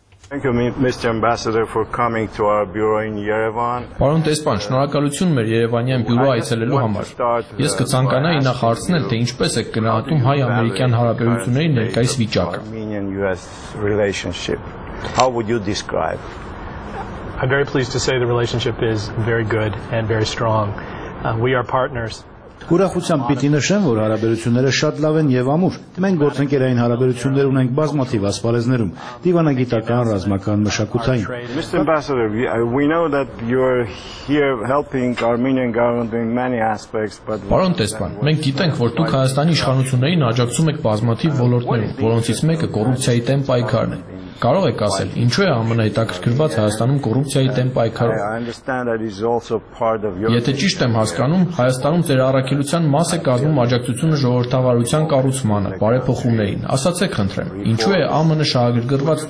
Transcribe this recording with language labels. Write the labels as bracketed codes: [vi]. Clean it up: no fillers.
[en] Thank you, Mr. Ambassador, for coming to our bureau in Yerevan. [hy] Պարոն դեսպան, շնորհակալություն մեր Երևանյան բյուրո այցելելու համար։ Ես կցանկանայի նախ հարցնել, թե ինչպես է գնահատում հայ-ամերիկյան հարաբերությունների ներկայիս վիճակը։ [en] How would you describe? I'm very pleased to say the relationship is very good and very strong. We are partners. [hy] Ուրախությամբ պիտի նշեմ, որ հարաբերությունները շատ լավ են եւ ամուր։ Մենք գործընկերային հարաբերություններ ունենք բազմաթիվ ասպարեզներում՝ դիվանագիտական, ռազմական, մշակութային։ [en] Mr. Ambassador, we know that you're here helping Armenian government in many aspects, but [hy] Պարոն դեսպան, մենք գիտենք, որ դուք Հայաստանի իշխանություններին աջակցում եք բազմաթիվ ոլորտներում, որոնցից մեկը կոռուպցիայի դեմ պայքարն է։ Կարող եք ասել, ինչու է ԱՄՆ-ը հետաքրքրված Հայաստանում կոռուպցիայի դեմ պայքարով։ Եթե ճիշտ եմ հասկանում, Հայաստանում ձեր առաքելության մաս է կազմում աջակցությունը ժողովրդավարության կառուցմանը, բարեփոխումներին։ Ասացեք, խնդրեմ, ինչու է ԱՄՆ-ը շահագրգռված